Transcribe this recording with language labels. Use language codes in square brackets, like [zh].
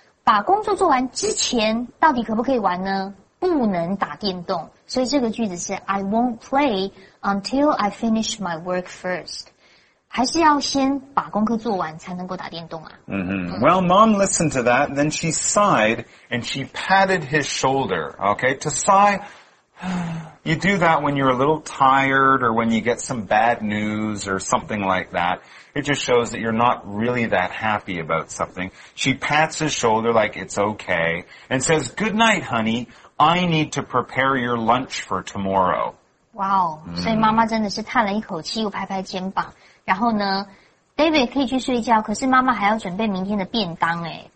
[zh] 把工作做完之前，到底可不可以玩呢？不能打电动。所以这个句子是 [en] I won't play until I finish my work first。 [zh] 还是要先把功课做完才能够打电动啊。 [en] Well, Mom listened to that, and then she sighed, and she patted his shoulder, okay? To sigh, you do that when you're a little tired or when you get some bad news or something like that. It just shows that you're not really that happy about something. She pats his shoulder like it's okay and says, good night, honey. I need to prepare your lunch for tomorrow. [zh] Wow, 所以妈妈真的是叹了一口气又拍拍肩膀。然后呢 ,David 可以去睡觉，可是妈妈还要准备明天的便当诶。